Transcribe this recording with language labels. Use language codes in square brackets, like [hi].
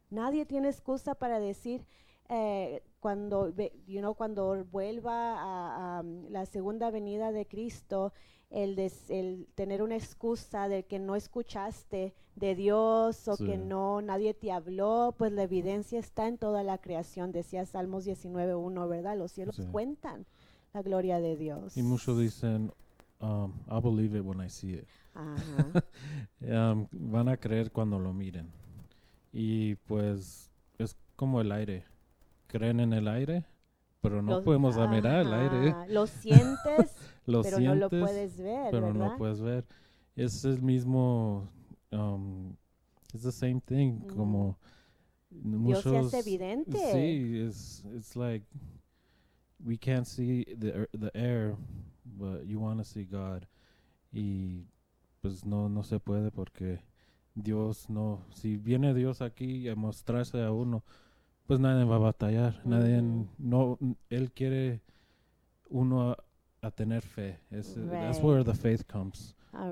[es] Nadie tiene excusa para decir, cuando vuelva a la segunda venida de Cristo, el tener una excusa de que no escuchaste de Dios o sí. que no, nadie te habló, pues la evidencia está en toda la creación, decía Salmos 19:1, ¿verdad? Los cielos sí. cuentan la gloria de Dios. Y muchos dicen, [en] I believe it when I see it. [es] Ajá. van a creer cuando lo miren. Y pues es como el aire. Creen en el aire, pero no podemos admirar el aire. Lo sientes, lo pero sientes, no lo puedes ver, pero ¿verdad? No puedes ver. Es el mismo, [en] it's the same thing, [es] mm-hmm. como Dios muchos... Dios se hace evidente. [en] Sí, it's like, we can't see the air, but you want to see God. [es] Y pues no se puede porque Dios no... Si viene Dios aquí a mostrarse a uno... pues nadie va a batallar. Uh-huh. Nadie, no, él quiere uno a tener fe. [en] Es, right. That's where the faith comes. All